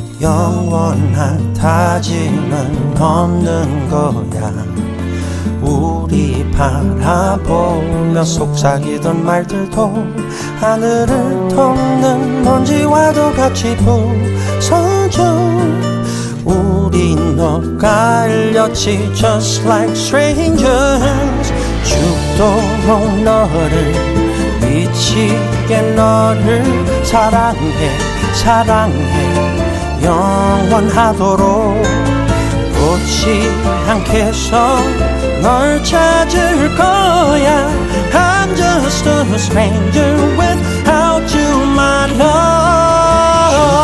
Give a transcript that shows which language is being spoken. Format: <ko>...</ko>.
<ko>영원한 다짐은 없는 거야. 우리 바라보며 속삭이던 말들도 하늘을 덮는 먼지와도 같이 부서져. 우리 엇갈렸지</ko> <en>just like strangers.</en> <ko>죽도록 너를 미치게 너를 사랑해 사랑해 영원하도록. 놓지 않겠어 널 찾을 거야.</ko> <en>I'm just a stranger without you my love.</en>